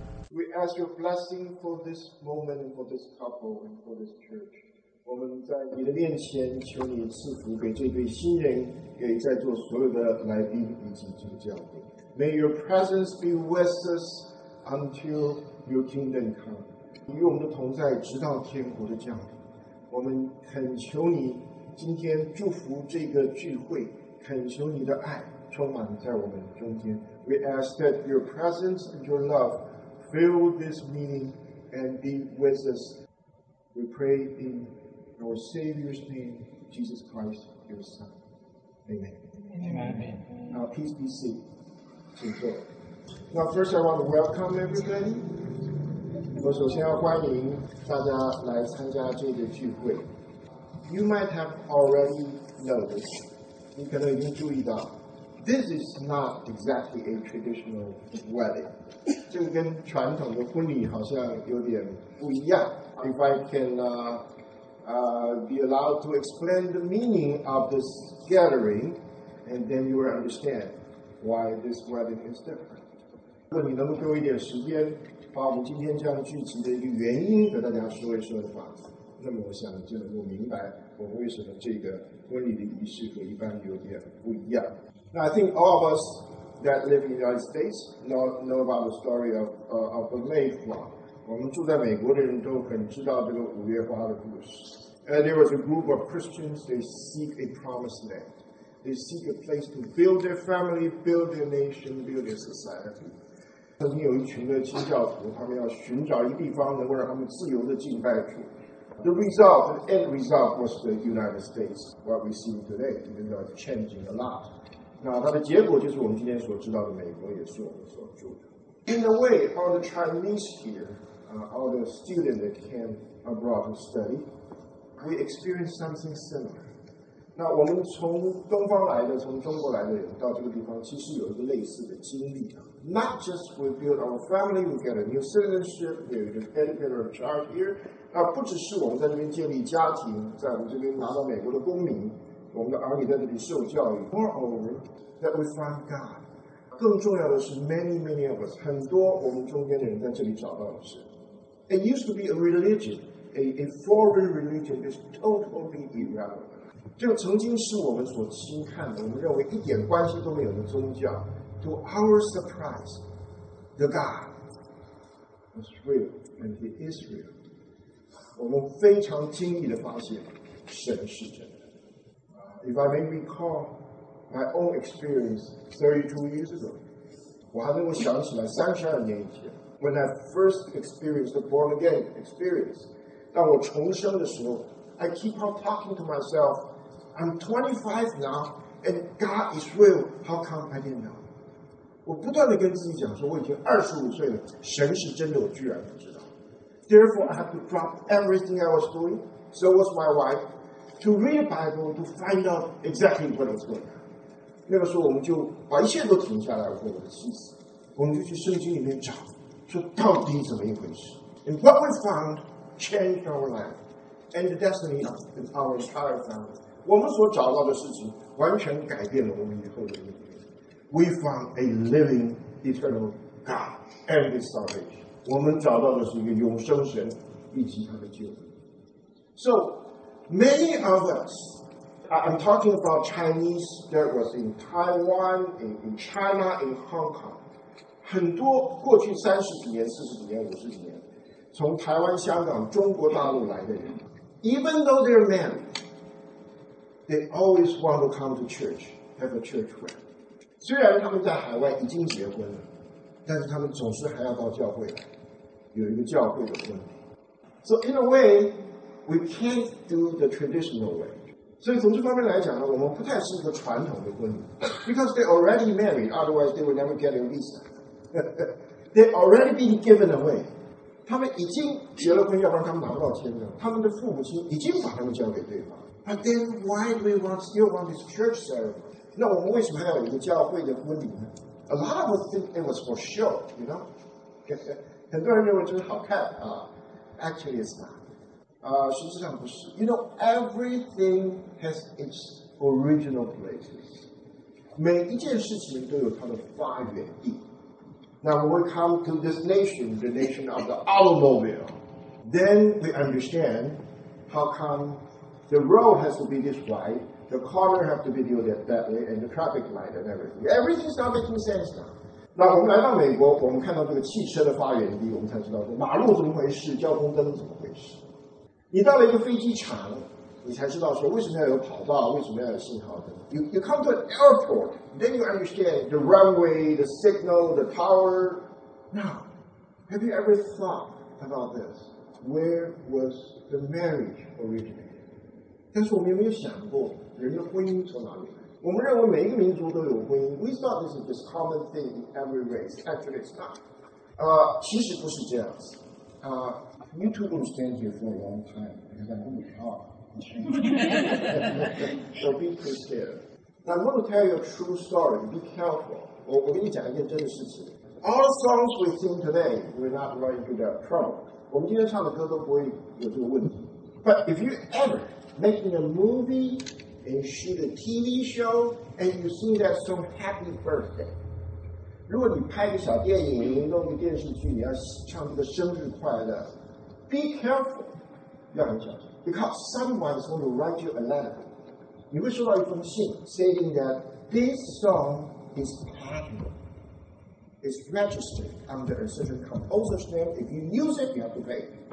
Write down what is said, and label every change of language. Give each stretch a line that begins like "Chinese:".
English: We ask your blessing for this moment, for this couple, and for this church.
Chinese: 我们在你的面前求你赐福给这对新人，给在座所有的来宾以及这个教会。
English: May your presence be with us until your kingdom come.
Chinese: 与我们的同在，直到天国的降临。我们恳求你今天祝福这个聚会，恳求你的爱充满在我们中间。
English: We ask that your presence and your love fill this meeting and be with us. We pray in your Savior's name, Jesus Christ, your Son. Amen. Amen. Now, please be seated. Now, first, I want to welcome everybody.
Chinese: 我首先要欢迎大家来参加这个聚会。
English: You might have already noticed.
Chinese: 你可能已经注意到。
English: This is not exactly a traditional wedding.
Chinese: 这个跟传统的婚礼好像有点不一样。
English: If I can be allowed to explain the meaning of this gathering, and then you will understand why this wedding is different.
Chinese: 如果你能够给我一点时间，把我们今天这样聚集的一个原因和大家说一说的话，那么我想就能够明白我们为什么这个婚礼的仪式和一般有点不一样。
English: Now, I think all of us that live in the United States know about the story of the Mayflower.
Chinese: 我们住在美国的人都很知道这个五月花的故事。
English: And there was a group of Christians, they seek a promised land. They seek a place to build their family, build their nation, build their society.
Chinese: 曾经有一群的清教徒，他们要寻找一个地方能够让他们自由的敬拜主。
English: The result, the end result was the United States, what we see today, even though it's changing a lot.
Chinese: 那它的结果就是我们今天所知道的美国，也是我们所住的。
English: In a way, all the Chinese here, all the students that came abroad to study, we experienced something similar.
Chinese: 那我们从东方来的，从中国来的人到这个地方，其实有一个类似的经历啊。
English: Not just we build our family, we get a new citizenship, we get an educator of child here.
Chinese: 那不只是我们在这边建立家庭，在我们这边拿到美国的公民，我们的儿女在这里受教育。
English: Moreover, that we find God.
Chinese: 更重要的是 ，
English: many many of us，
Chinese: 很多我们中间的人在这里找到了神。
English: It used to be a religion, a foreign religion is totally irrelevant.
Chinese: 这个曾经是我们所轻看的，我们认为一点关系都没有的宗教。
English: To our surprise, the God was real and he is real.
Chinese: 我们非常惊异的发现，神是真的。
English: If I may recall my own experience 32 years ago,
Chinese: 我还能够想起来32年以前
English: ，when I first experienced the born again experience.
Chinese: 当我重生的时候
English: ，I keep on talking to myself. I'm 25 now, and God is real. How come I didn't know?
Chinese: 我不断地跟自己讲说，我已经25岁了，神是真的，我居然不知道。
English: Therefore, I have to drop everything I was doing. So was my wife, to read Bible to find out exactly what was going on.
Chinese: 那个时候我们就把一切都停下来，我跟我的妻子，我们就去圣经里面找，说到底怎么一回事。
English: And what we found changed our life and the destiny of our entire family.
Chinese: 我们所找到的事情完全改变了我们以后的命运。
English: We found a living eternal God and his salvation.
Chinese: 我们找到的是一个永生神以及他的救恩。
English: So many of us, I'm talking about Chinese that was in Taiwan, in China, in Hong Kong.
Chinese: 很多过去30几年、40几年、50几年，从台湾、香港、中国大陆来的人
English: ，even though they're men. They always want to come to church, have a church where.
Chinese: 虽然他们在海外已经结婚了，但是他们总是还要到教会来，有一个教会的婚礼。
English: So in a way, we can't do the traditional way.
Chinese: 所以从这方面来讲呢，我们不太适合传统的婚礼。
English: Because they already married, otherwise they would never get a visa. They already been given away.
Chinese: 他们已经结了婚，要不然他们拿不到签证。他们的父母亲已经把他们交给对方。
English: But then why do we still want this church ceremony?
Chinese: 那我们为什么还要有一个教会的婚礼呢？
English: A lot of us think it was for show, you know?
Chinese: 很多人认为这是好看啊。
English: Actually, it's not.
Chinese: 实际上不是。
English: You know, everything has its original places.
Chinese: 每一件事情都有它的发源地。
English: Now, when we come to this nation, the nation of the automobile, then we understand how comeThe road has to be this wide, the corner has to be viewed that way, and the traffic light and everything. Everything's not making sense now.
Chinese: 那我们来到美国，我们看到这个汽车的发源地，我们才知道说马路怎么回事，交通灯怎么回事。你到了一个飞机场，你才知道说为什么要有跑道，为什么要有信号灯。
English: You come to an airport, then you understand the runway, the signal, the tower. Now, have you ever thought about this? Where was the marriage originally?
Chinese: 但是我们有没有想过人的婚姻从哪里来？我们认为每一个民族都有婚姻。
English: We thought this is just common thing in every race. Actually, it's not.
Chinese: 其实不是这样子。
English: You two will stand here for a long time because I know you are. So be too scared. I want to tell you a true story. Be careful.
Chinese: 我跟你讲一件真的事情。
English: All the songs we sing today will not run into that trouble.
Chinese: 我们今天唱的歌都不会有这个问题。
English: But if you ever. Making a movie and shoot a TV show, and you sing that song "Happy Birthday."
Chinese: 如果你拍个小电影，你弄个电视剧，你要唱这个生日快乐。
English: Be careful,
Chinese: 要很小心
English: because someone's going to write you a letter.
Chinese: 你会收到一封信
English: ，saying that this song is patent, it's registered under a certain composer's name. If you use it, you have to pay.